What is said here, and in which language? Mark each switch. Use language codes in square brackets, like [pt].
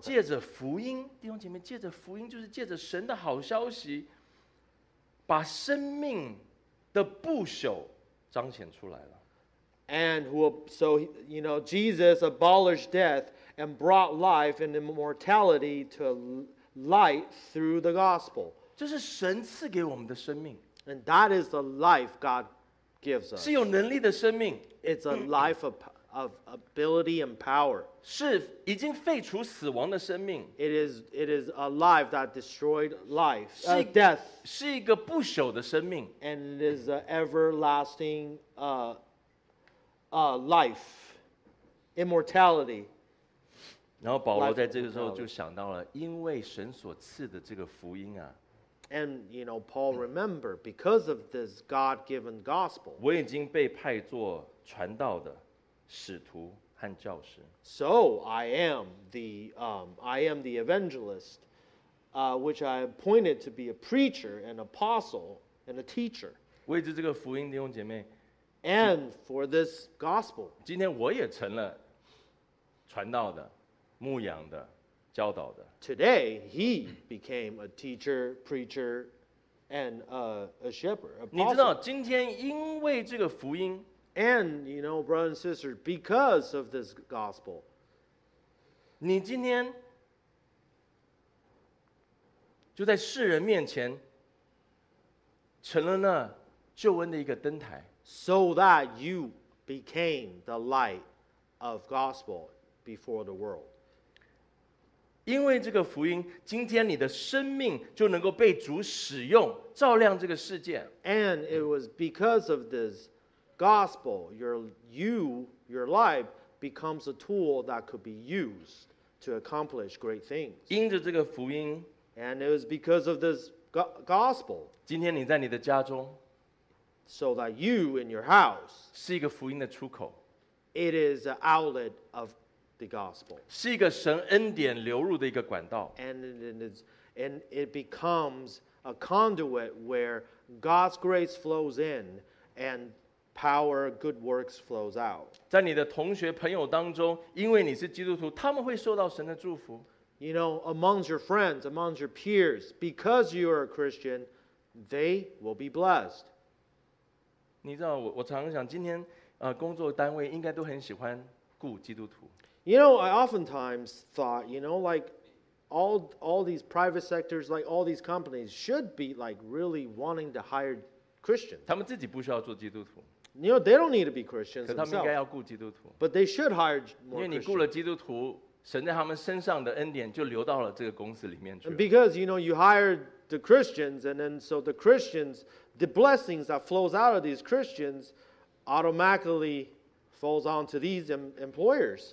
[zh] 借着福音，弟兄姐妹，借着福音，就是借着神的好消息，把生命的不朽彰显出来了。 [en] And who, so you know, Jesus abolished death and brought life and immortality to light through the gospel. [zh] 这是神赐给我们的生命。 [en] And that is the life God gives us. [zh] 是有能力的生命。 [en] It's a life of ability and power. [zh] 是已经废除死亡的生命。 [en] It is a life that destroyed life. Death. [zh] 是一个不朽的生命。 [en] And it is an everlasting life. Immortality. [zh] 然后保罗在这个时候就想到了，因为神所赐的这个福音啊。 [en] And you know, Paul, remember, because of this God-given gospel. [zh] 我已经被派做传道的。使徒和教师。 [en] So I am the evangelist, which I appointed to be a preacher, an apostle, and a teacher. [zh] 为这个福音，弟兄姐妹。 [en] And for this gospel. [zh] 今天我也成了传道的、牧养的、教导的。 [en] Today he became a teacher, preacher, and a shepherd. Apostle. [zh] 你知道，今天因为这个福音。 [en] And you know, brothers and sisters, because of this gospel, [zh] 你今天就在世人面前成了那救恩的一个灯台。 [en] So that you became the light of gospel before the world. [zh] 因为这个福音，今天你的生命就能够被主使用，照亮这个世界。 [en] And it was because of this. Gospel, your life becomes a tool that could be used to accomplish great things. [zh] 因着这个福音, [en] and it was because of this gospel. [zh] 今天你在你的家中, [en] so that you in your house, [zh] 是一个福音的出口, [en] it is an outlet of the gospel. [zh] 是一个神恩典流入的一个管道, [en] and it becomes a conduit where God's grace flows in and power, good works flows out. [zh] 在你的同学朋友当中，因为你是基督徒，他们会受到神的祝福。 [en] You know, amongst your friends, amongst your peers, because you are a Christian, they will be blessed. [zh] 你知道，我常常想，今天工作单位应该都很喜欢雇基督徒。 [en] You know, I oftentimes thought, you know, like all these private sectors, like all these companies, should be like really wanting to hire Christians. [zh] 他们自己不需要做基督徒。 [en] You know, they don't need to be Christians themselves. [zh] 可他们应该要雇基督徒。 [en] But they should hire more Christians. [zh] 因为你雇了基督徒，神在他们身上的恩典就流到了这个公司里面去了。 [en] Because, you know, you hired the Christians, and then so the Christians, the blessings that flows out of these Christians automatically falls onto these employers.